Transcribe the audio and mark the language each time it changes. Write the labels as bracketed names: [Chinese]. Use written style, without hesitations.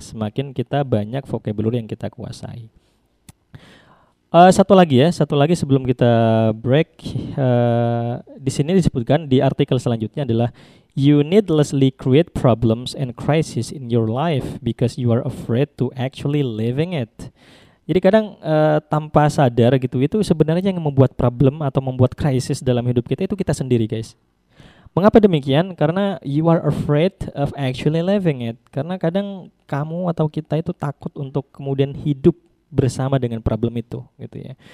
[Indonesian] Semakin kita banyak vocabulary yang kita kuasai. Satu lagi sebelum kita break, di sini disebutkan di artikel selanjutnya adalah [English] you needlessly create problems and crises in your life because you are afraid to actually living it. [Indonesian] Jadi kadang tanpa sadar gitu, itu sebenarnya yang membuat problem atau membuat krisis dalam hidup kita itu kita sendiri guys. Mengapa demikian? [English] Karena you are afraid of actually living it. [Indonesian] Karena kadang kamu atau kita itu takut untuk kemudian hidup bersama dengan problem itu gitu ya.